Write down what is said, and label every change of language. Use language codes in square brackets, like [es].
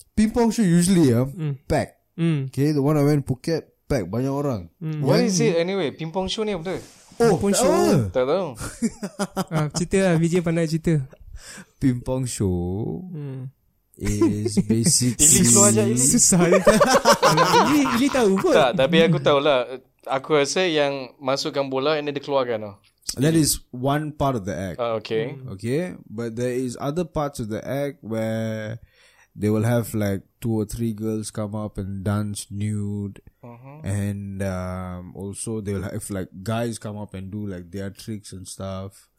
[en] Ping pong show usually, packed. Okay, the one I went Phuket, packed, [ms] banyak orang. [en] Why is it anyway? Ping pong show [ms] ni apa tu? [en] Oh, ping pong show. [ms] Tak tahu. Cerita lah, VJ pandai cerita. [en] Ping pong show is basically... [ms] Ili suar je, Ili. Susah. Ili tahu pun. Tak, tapi aku tahulah. Aku rasa yang masukkan bola [en] and then [ms] dia keluarkan. [en] That is one part of the act. Okay. Okay. But there is other parts of the act where they will have like two or three girls come up and dance nude. And also they will have like guys come up and do like their tricks and stuff.